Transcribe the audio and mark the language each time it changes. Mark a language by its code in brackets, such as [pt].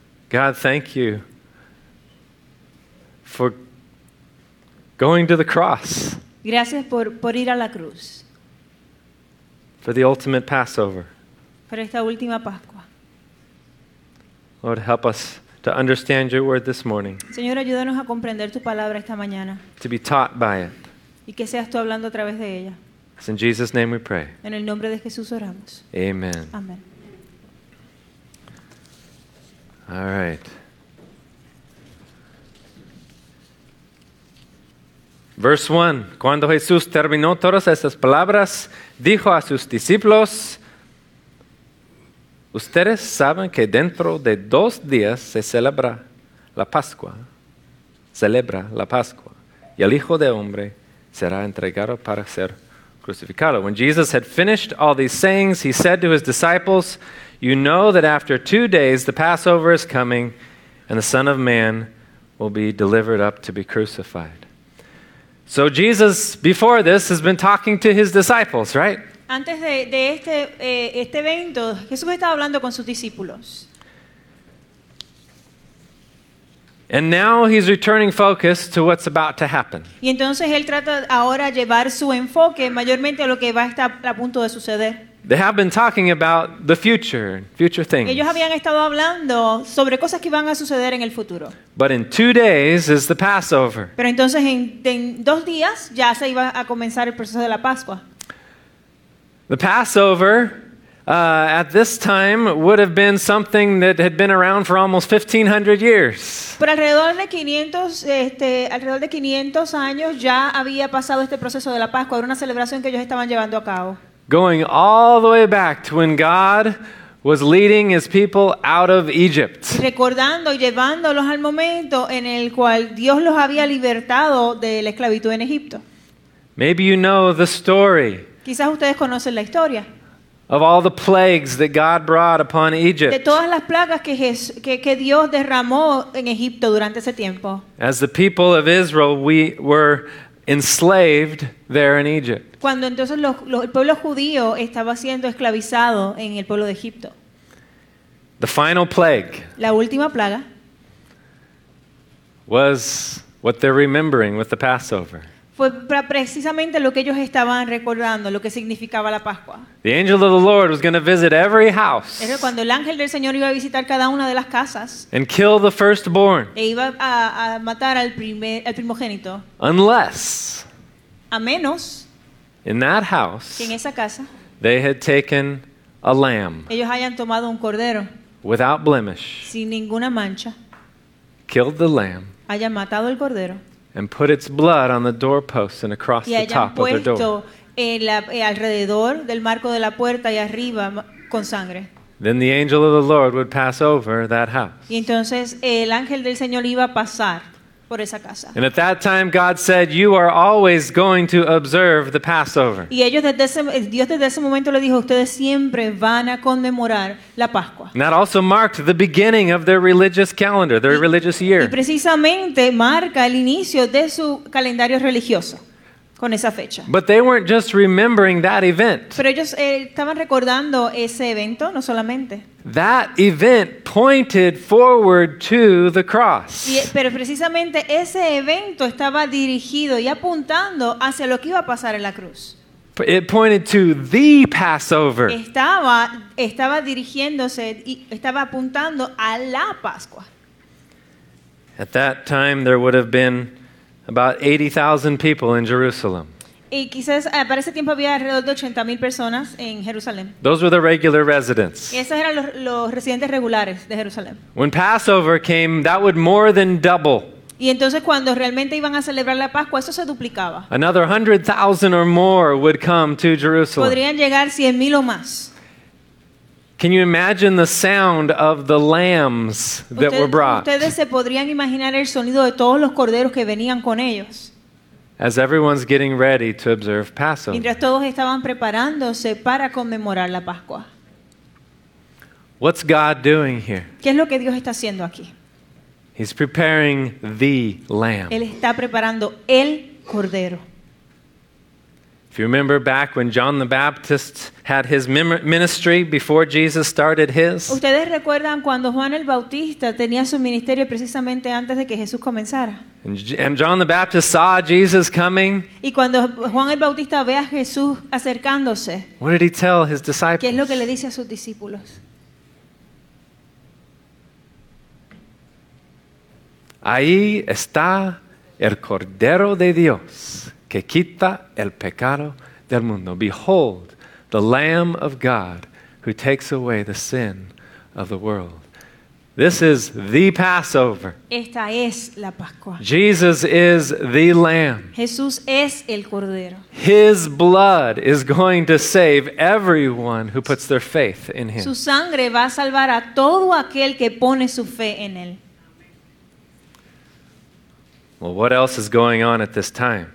[en] God, thank you for going to the cross. [es] Gracias por ir a la cruz. [en] For the ultimate Passover. [es] Para esta última Pascua. [en] Lord, help us to understand your word this morning. [es] Señor, ayúdanos a comprender tu palabra esta mañana. [en] To be taught by it. [es] Y que seas tú hablando a través de ella. [en] It's in Jesus' name we pray. [es] En el nombre de Jesús oramos. [en] Amen. [es] Amen. [en] All right. Verse 1. [es] Cuando Jesús terminó todas estas palabras, dijo a sus discípulos, ustedes saben que dentro de dos días se celebra la Pascua. Celebra la Pascua. Y el Hijo de Hombre será entregado para ser crucificado. [en] When Jesus had finished all these sayings, he said to his disciples, "You know that after 2 days the Passover is coming, and the Son of Man will be delivered up to be crucified." So Jesus, before this, has been talking to his disciples, right? [es] Antes de este evento, Jesús estaba hablando con sus discípulos. [en] And now he's returning focus to what's about to happen. [es] Y entonces él trata ahora llevar su enfoque mayormente a lo que va a estar a punto de suceder. [en] They have been talking about the future things. [es] Ellos habían estado hablando sobre cosas que van a suceder en el futuro. [en] But in 2 days is the Passover. [es] Pero entonces en 2 días ya se iba a comenzar el proceso de la Pascua. [en] The Passover at this time would have been something that had been around for almost 1500 years. [es] Pero alrededor de 500 años ya había pasado este proceso de la Pascua, era una celebración que ellos estaban llevando a cabo. [en] Going all the way back to when God was leading his people out of Egypt. [es] Recordando y llevándolos al momento en el cual Dios los había libertado de la esclavitud en Egipto. [en] Maybe you know the story. [es] Quizás ustedes conocen la historia. [en] Of all the plagues that God brought upon Egypt. [es] De todas las plagas que Dios derramó en Egipto durante ese tiempo. [en] As the people of Israel, we were enslaved there in Egypt. [es] Cuando entonces el pueblo judío estaba siendo esclavizado en el pueblo de Egipto. [en] The final plague. [es] La última plaga. [en] Was what they're remembering with the Passover. [es] Fue precisamente lo que ellos estaban recordando, lo que significaba la Pascua. [en] The angel of the Lord was going to visit every house. [es] Era cuando el ángel del Señor iba a visitar cada una de las casas. [en] And kill the firstborn. [es] E iba a matar al primogénito. [en] Unless. [es] A menos. [en] In that house. [es] En esa casa. [en] They had taken a lamb. [es] Ellos hayan tomado un cordero. [en] Without blemish. [es] Sin ninguna mancha. [en] Killed the lamb. [es] Hayan matado el cordero. [en] And put its blood on the doorposts and across the top of the door. [es] Y alrededor del marco de la puerta y arriba con sangre. [en] Then the angel of the Lord would pass over that house. [es] Y entonces el ángel del Señor iba a pasar por esa casa. [en] And at that time God said, "You are always going to observe the Passover." [es] Y ellos desde ese momento le dijo, ustedes siempre van a conmemorar la Pascua. [en] And that also marked the beginning of their religious calendar, their religious year. [es] Y precisamente marca el inicio de su calendario religioso con esa fecha. [en] But they weren't just remembering that event. [es] Pero ellos estaban recordando ese evento, no solamente. [en] That event pointed forward to the cross. [es] Pero precisamente ese evento estaba dirigido y apuntando hacia lo que iba a pasar en la cruz. [en] It pointed to the Passover. [es] Estaba dirigiéndose y estaba apuntando a la Pascua. [en] At that time there would have been about 80,000 people in Jerusalem. [es] Y quizás para ese tiempo había alrededor de 80,000 personas en Jerusalén. [en] Those were the regular residents. [es] Y esos eran los residentes regulares de Jerusalén. [en] When Passover came, that would more than double. [es] Y entonces cuando realmente iban a celebrar la Pascua, eso se duplicaba. [en] Another 100,000 or more would come to Jerusalem. [es] Podrían llegar 100,000 o más. [en] Can you imagine the sound of the lambs that were brought? [es] ¿Ustedes se podrían imaginar el sonido de todos los corderos que venían con ellos? [en] As everyone's getting ready to observe Passover. [es] Mientras todos estaban preparándose para conmemorar la Pascua. [en] What's God doing here? [es] ¿Qué es lo que Dios está haciendo aquí? [en] He's preparing the lamb. [es] Él está preparando el cordero. [en] If you remember back when John the Baptist had his ministry before Jesus started his? [es] ¿Ustedes recuerdan cuando Juan el Bautista tenía su ministerio precisamente antes de que Jesús comenzara? [en] And John the Baptist saw Jesus coming. [es] Y cuando Juan el Bautista ve a Jesús acercándose. [en] What did he tell his disciples? [es] ¿Qué es lo que le dice a sus discípulos? Ahí está el Cordero de Dios. Que quita el pecado del mundo. [en] Behold, the Lamb of God who takes away the sin of the world. This is the Passover. [es] Esta es la Pascua. [en] Jesus is the Lamb. [es] Jesús es el Cordero. [en] His blood is going to save everyone who puts their faith in Him. [es] Su sangre va a salvar a todo aquel que pone su fe en Él. [en] Well, what else is going on at this time?